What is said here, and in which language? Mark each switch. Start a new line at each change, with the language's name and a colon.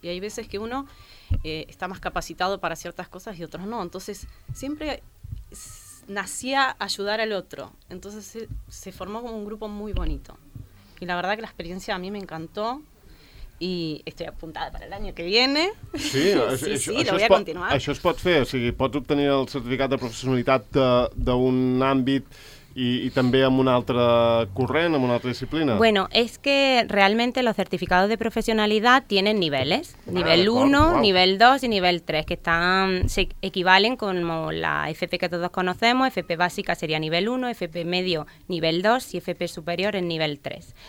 Spanish: Y hay veces que uno está más capacitado para ciertas cosas y otros no. Entonces, siempre nacía ayudar al otro. Entonces se formó como un grupo muy bonito. Y la verdad que la experiencia a mí me encantó. Y estoy apuntada para el año que viene. Sí, lo voy a continuar.
Catalan: Això es pot fer, o sigui, pots obtenir el certificat de professionalitat d'un àmbit i també amb un altre corrent, amb una altra disciplina.
Spanish: Bueno, es que realmente los certificados de profesionalidad tienen niveles. Nivel 1, wow. Nivel 2 y nivel 3, que están, se equivalen como la FP que todos conocemos. FP básica sería nivel 1, FP medio nivel 2 y FP superior en nivel 3.